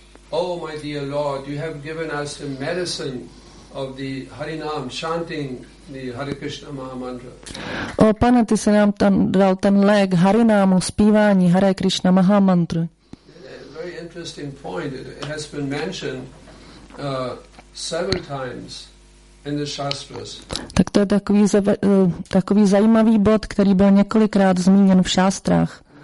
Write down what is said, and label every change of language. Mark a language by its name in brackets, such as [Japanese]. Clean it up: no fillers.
[English] Oh my dear Lord, you have given us a medicine of the Harinam, chanting the Hare Krishna Mahamantra. [Czech] O pane, ty jsi nám tam dal ten lék Harinámu, zpívání Hare Krishna Mahamantra. [English] Very interesting point. It has been mentioned several times in the Shastras. [Czech] Tak to je takový zajímavý bod, který byl několikrát zmíněn v šástrách.